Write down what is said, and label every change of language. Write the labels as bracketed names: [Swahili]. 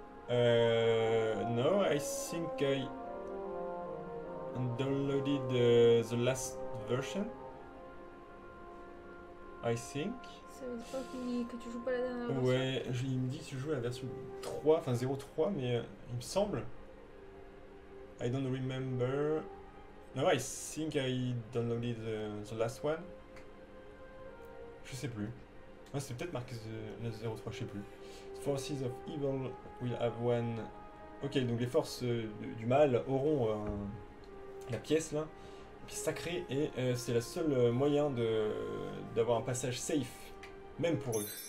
[English] No, I think I downloaded the last version. I think. [French] Ça veut dire pas que tu joues pas la dernière version. Ouais, il me dit que tu joues à la version 3, enfin 0.3, mais il me semble. [English] I don't remember. No, I think I downloaded the last one. [French] Je sais plus. Ouais, c'est peut-être marqué la 0.3, je sais plus. [English] The forces of evil will have one. [French] Ok, donc les forces du mal auront la pièce là. Puis sacrée, et c'est la seule moyen d'avoir un passage safe. Même pour eux.